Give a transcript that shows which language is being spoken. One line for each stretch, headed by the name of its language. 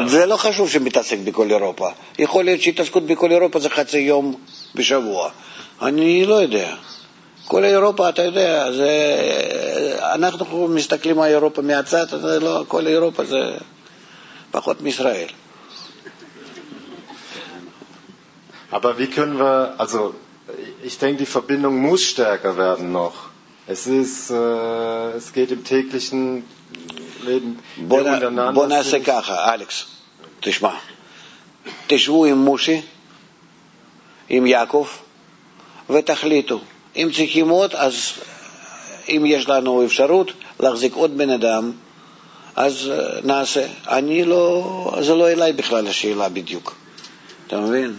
Hebrew: זה לא חשוב שמתעסק בכל אירופה, יכול להיות שהתעסקות בכל אירופה זה חצי יום בשבוע, אני לא יודע. כל אירופה, אתה יודע, זה, אנחנו מסתכלים על אירופה מהצד, זה לא, כל אירופה זה פחות מישראל.
German: Aber wie können wir, also ich denke, die Verbindung muss stärker werden noch. Es geht im täglichen Leben.
Hebrew: בוא נעשה ככה, אלכס, תשמע. תשבו עם מושי, עם יעקב, ותחליטו. אם צריכים עוד, אז אם יש לנו אפשרות להחזיק עוד בן אדם, אז נעשה. אני לא, זה לא אליי בכלל השאלה בדיוק. אתה מבין?